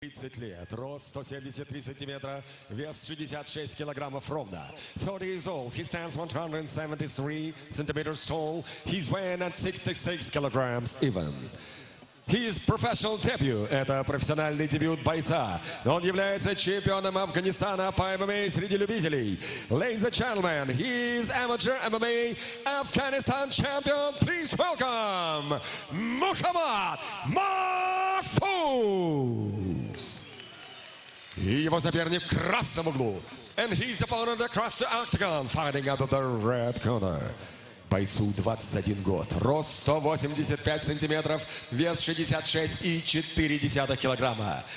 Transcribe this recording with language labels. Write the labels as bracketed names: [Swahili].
[Russian] 30 лет, рост 173 сантиметра, вес 66 килограммов ровно. [English] 30 years old, he stands 173 centimeters tall, he's weighing at 66 kilograms even. His professional debut [Russian] – это профессиональный дебют бойца. Он является чемпионом Афганистана по ММА среди любителей. [English] Ladies and gentlemen, he is amateur MMA Afghanistan champion. Please welcome Мухаммад Махфуз. [Russian] И его соперник в красном углу. [English] And his opponent across the octagon, fighting out of the red corner. [Russian] Бойцу 21 год, рост 185 сантиметров, вес 66,4 килограмма.